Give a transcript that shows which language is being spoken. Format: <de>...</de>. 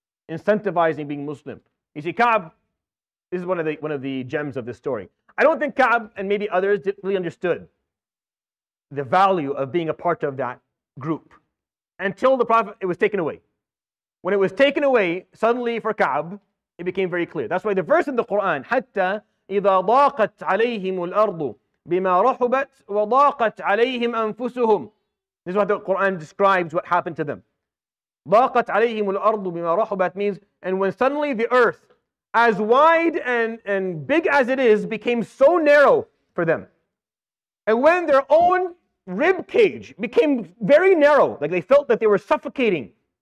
<en>Incentivizing being Muslim. You see, Ka'b, this is one of the gems of this story. I don't think Ka'b and maybe others really understood the value of being a part of that group until the Prophet, it was taken away. When it was taken away, suddenly for Ka'b, it became very clear. That's why the verse in the Quran,</en> <ar>Hatta إِذَا ضَاقَتْ عَلَيْهِمُ الْأَرْضُ بِمَا رَحُبَتْ وَضَاقَتْ عَلَيْهِمْ أَنفُسُهُمْ.</ar> <en>This is what the Quran describes what happened to them.</en> <ar>ضَاقَتْ عَلَيْهِمُ الْأَرْضُ بِمَا رَحُبَتْ</ar> <en>means, and when suddenly the earth, as wide and big as it is, became so narrow for them. And when their own rib cage became very narrow, like they felt that they were suffocating.</en>